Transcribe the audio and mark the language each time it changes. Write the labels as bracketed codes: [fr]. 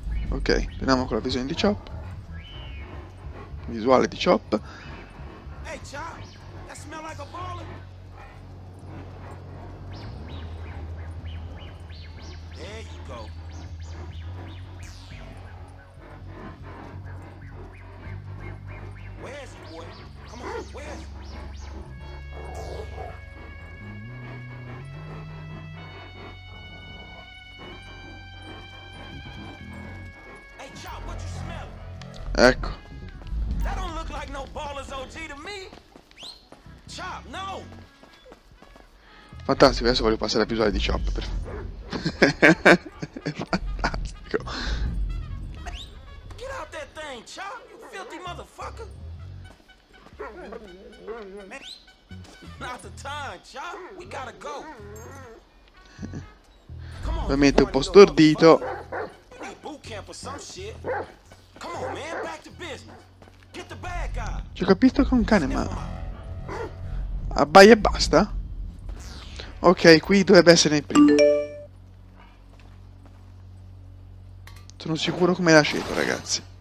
[it] Ok, prendiamo con la visione di Chop. Visuale di Chop. [en] Hey Chop, that smell like a baller. There you go. Where is he, boy? Come on, where is he? [it] Ecco. [en] That don't look like no ballers OG to me. Chop, no. [it] Fantastico, adesso voglio passare a visuale di Chop. Per... Fantastico. [en] Get out that thing, Chop, you filthy motherfucker. Man, not the time, Chop. We gotta go. [it] Ovviamente un po' stordito. [en] You need boot camp or some shit. Come on, man, back to business. Get the bad guy. [it] Ci ho capito che è un cane, ma. Abbaia e basta. Ok, qui dovrebbe essere il primo. Sono sicuro come l'aceto, ragazzi.